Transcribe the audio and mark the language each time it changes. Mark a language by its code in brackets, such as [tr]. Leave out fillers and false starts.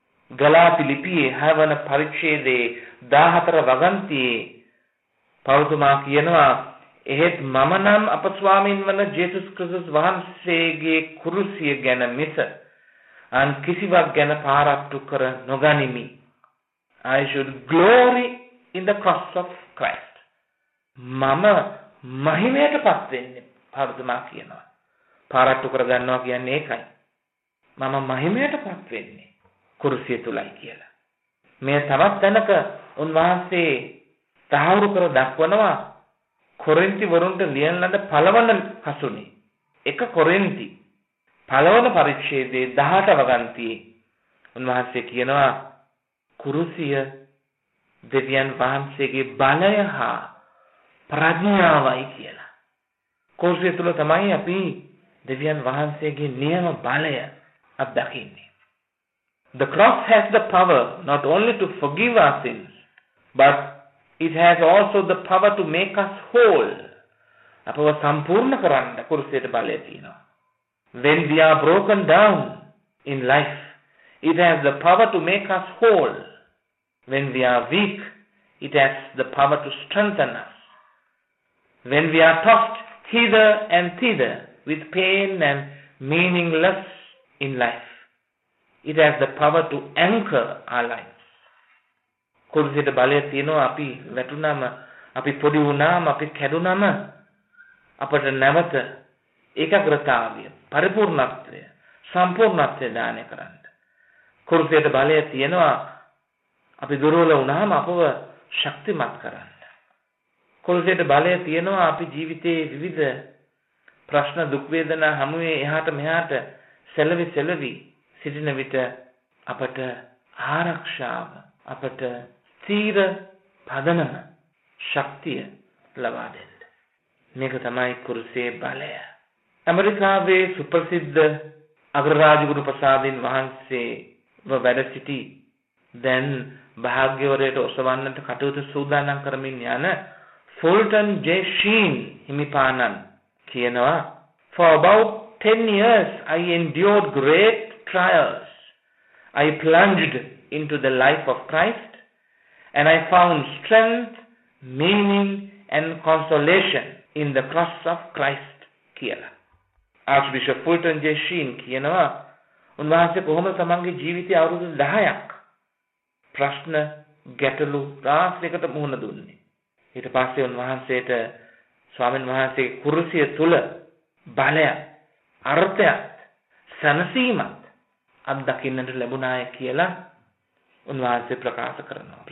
[si] ගලාති ලිපියේ 6 වන පරිච්ඡේදයේ 14 වගන්තියේ පෞතුමා කියනවා, එහෙත් මම නම් අප ස්වාමීන් වන ජේසුස් ක්‍රිස්තුස් වහන්සේගේ කුරුසිය ගැන මිස අන් කිසිවක් ගැන පාරක්තු කර නොගනිමි. [en] I should glory in the cross of Christ. [si] මම මහිමයට පත් වෙන්නේ පරදමා කියනවා. පාරක්තු කර ගන්නවා කියන්නේ ඒකයි. මම මහිමයට පත් වෙන්නේ කුරුසිය තුලයි කියලා. මේ තවත් දැනක උන්වහන්සේ තහවුරු කර දක්වනවා කොරින්ති වරුන්ට ලියන ලද පළවන හසුනේ. එක කොරින්ති පළවන පරිච්ඡේදයේ 18 වගන්තියේ උන්වහන්සේ කියනවා කුරුසිය දෙවියන් වහන්සේගේ බලය හා ප්‍රඥාවයි කියලා. කුරුසිය තුල තමයි අපි දෙවියන් වහන්සේගේ නියම බලය අත්දකින්නේ. [en] The cross has the power not only to forgive our sins but it has also the power to make us whole. [si] අපව සම්පූර්ණ කරන්න කුරුසියට බලය තියෙනවා. [en] When we are broken down in life, it has the power to make us whole. When we are weak, it has the power to strengthen us. When we are tossed hither and thither with pain and meaningless in life, it has the power to anchor our lives. [si] කුරුසියට බලය තියෙනවා අපි වැටුනම, අපි පොඩි වුණාම, අපි කැඩුනම අපට නැවත ඒකාග්‍රතාවය පරිපූර්ණත්වය සම්පූර්ණත්වය දානය කරන්න. කුරුසියට බලය තියෙනවා අපි දුර්වල වුණාම අපව ශක්තිමත් කරන්න. කුරුසියට බලය තියෙනවා අපි ජීවිතයේ විවිධ ප්‍රශ්න දුක් වේදනා හැමුවේ එහාට මෙහාට සැලවි සැලවි සිටින විට අපට ආරක්ෂාව අපට ස්ථීර පදනම ශක්තිය ලබා දෙන්න. මේක තමයි කුරුසියේ බලය. ඇමරිකාවේ සුප්‍රසිද්ධ අග්‍රරාජගුරු ප්‍රසාදින් වහන්සේව වැඩ සිටි දැන් භාග්‍යවරයට ඔසවන්නට කටයුතු සූදානම් කරමින් යන ෆෝල්ටන් ජේ ෂීන් හිමිපාණන් කියනවා, [en] For about 10 years I endured great trials. I plunged into the life of Christ and I found strength, meaning and consolation in the cross of Christ කියලා. Archbishop Fulton J. [si] Sheen කියනවා, උන්වහන්සේ කොහොමද තමන්ගේ ජීවිතය අවුරුදු 10ක් ප්‍රශ්න ගැටලු රාශියකට මුහුණ දුන්නේ. ඊට පස්සේ උන්වහන්සේට ස්වාමීන් වහන්සේගේ කුරුසිය තුල බලය, අර්ථයත්, සැනසීමත් අත්දකින්නට ලැබුණාය කියලා උන්වහන්සේ ප්‍රකාශ කරනවා.